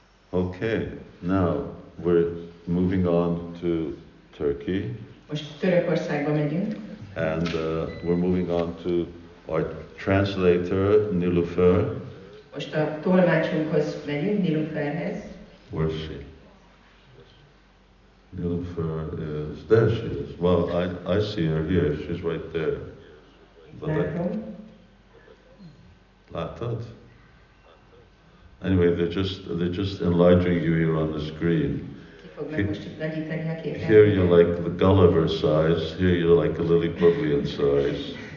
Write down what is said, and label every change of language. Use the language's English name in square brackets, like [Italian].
[English] Okay, now we're moving on to Turkey. [Hungarian] Most Törökországba megyünk. [English] And we're moving on to our translator, Nilufer. [Hungarian] Most a tolmácsunkhoz megyünk, Nilufer-hez. [English] Where is she? Nilufer is, there she is. Well, I see her here, she's right there. [Hungarian] Látod? [English] Anyway, they're just enlarging you here on the screen. Here you're like the Gulliver size, here you're like a Lilliputian size.